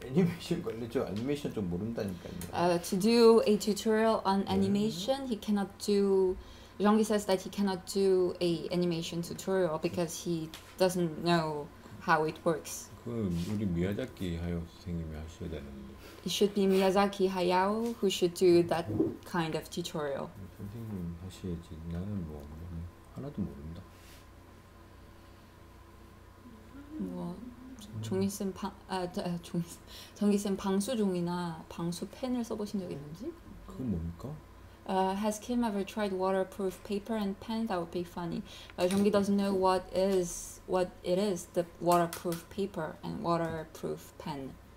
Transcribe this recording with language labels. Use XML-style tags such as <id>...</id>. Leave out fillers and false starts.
<ko>애니메이션 관련 저 애니메이션 좀 모른다니까요.</ko> <en>To do a tutorial on animation, he cannot do. Jeongi says that he cannot do a animation tutorial because he doesn't know how it works.</en> <ko>그 우리 미야자키 하야오 선생님이 하셔야 되는데.</ko> <en>It should be Miyazaki Hayao who should do that kind of tutorial.</en> <ko>선생님 하셔야지 나는 뭐. 하나도 모른다. 뭐 종이 쓴 방 아 종이 전기 쓴 방수 종이나 방수 펜을 써보신 적 있는지? 그건 뭡니까?</ko> <en>Has Kim ever tried waterproof paper and pen? That would be funny. Jeongi doesn't know what it is the waterproof paper and waterproof pen.</en>